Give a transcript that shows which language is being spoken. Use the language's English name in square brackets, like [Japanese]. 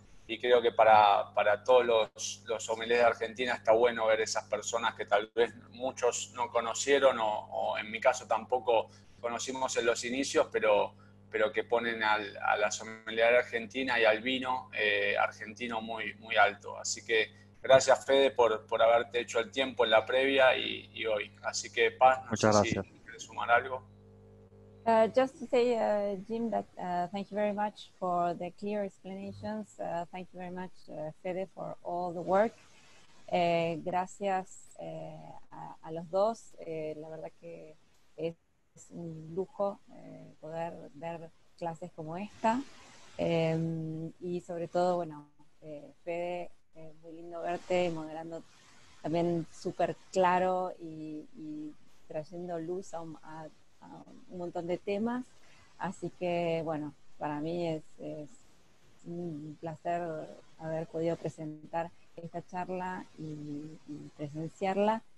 [Spanish] y creo que para todos los sommeliers de Argentina está bueno ver esas personas que tal vez muchos no conocieron o en mi caso tampoco conocimos en los inicios, pero que ponen a la sommeliería argentina y al vino argentino muy, muy alto. Así que gracias, Fede, por haberte hecho el tiempo en la previa y hoy. Así que Paz, no muchas sé gracias. Si quieres sumar algo. [English] Just to say, Jim, that thank you very much for the clear explanations. Thank you very much, Fede, for all the work. [Spanish] Gracias a los dos. La verdad que es un lujo poder ver clases como esta. Y sobre todo, bueno, Fede, muy lindo verte, moderando también súper claro y trayendo luz a un montón de temas, así que bueno, para mí es un placer haber podido presentar esta charla y presenciarla.